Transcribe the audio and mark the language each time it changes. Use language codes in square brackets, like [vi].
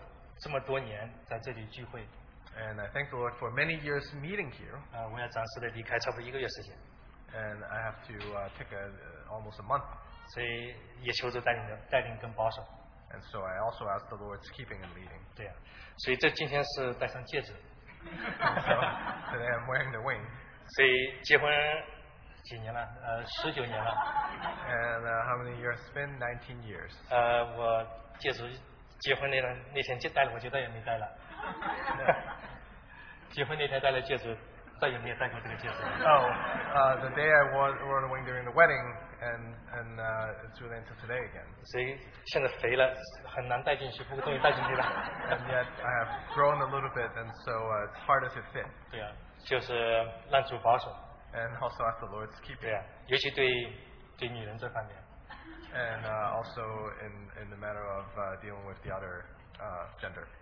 [zh] 所以也感谢主这么多年在这里聚会。 [en] And I thank the Lord for many years meeting here. [zh] 我要暂时的离开差不多一个月时间。 [en] And I have to take almost a month. [zh] 所以也求主带领跟保守。 [en] And so I also ask the Lord's keeping and leading. [zh] 对啊, 所以这今天是戴上戒指。 [en] So today I'm wearing the ring. [zh] 所以结婚几年了?19年了。 [en] And how many years? It's been 19 years. [zh] 我戒指结婚那天戴了，我就再也没戴了。 [en] The day I wore the ring during the wedding, and it's really until today again. [zh] 所以现在肥了，很难戴进去，不过终于戴进去了。 [en] And yet I have grown a little bit, and so it's harder to fit. [zh] 对啊，就是让主保守。 [en] And also ask the Lord's keeping. [zh] 对啊，尤其对女人这方面。 [en] And also in the matter of dealing with the other gender.